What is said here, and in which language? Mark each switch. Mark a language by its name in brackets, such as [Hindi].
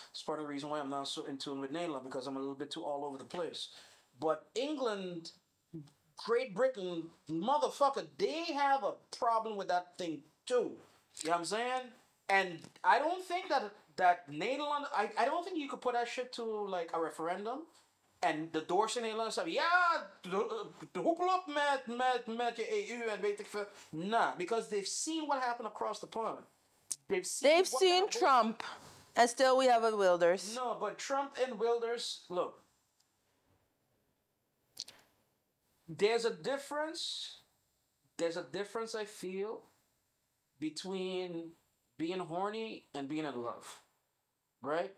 [English] It's part of the reason why I'm not so in tune with Nederland, because I'm a little bit too all over the place. But England, Great Britain, motherfucker, they have a problem with that thing too. You know what I'm saying? And I don't think that Nederland, I don't think you could put that shit to like a referendum. [Dutch] En de Doors in Nederland zeggen, ja, hoepelop met je EU en weet ik veel. [English] Nah, because they've seen what happened across the pond. They've seen Trump. And still we have a Wilders. No, but Trump and Wilders, look. There's a difference I feel between being horny and being in love, right?